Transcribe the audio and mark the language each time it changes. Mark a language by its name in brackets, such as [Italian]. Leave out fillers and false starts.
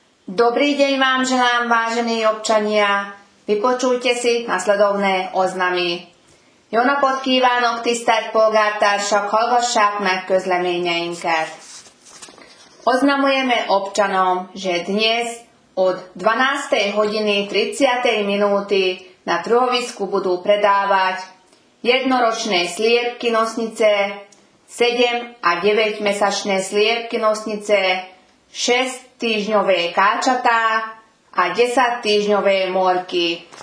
[Slovak] Dobrý deň vám želám, vážení občania. Vypočujte si nasledovné oznamy. [Hungarian] Jóna pot kívánok tisztelt polgártársak, hallgassák meg közleményeinket. [Slovak] Oznamujeme občanom, že dnes od 12. hodiny 30. minúty na truhovisku budú predávať jednoročné sliepky nosnice, 7 a 9 mesačné sliepky nosnice, 6 týždňové káčatá a 10 týždňové morky.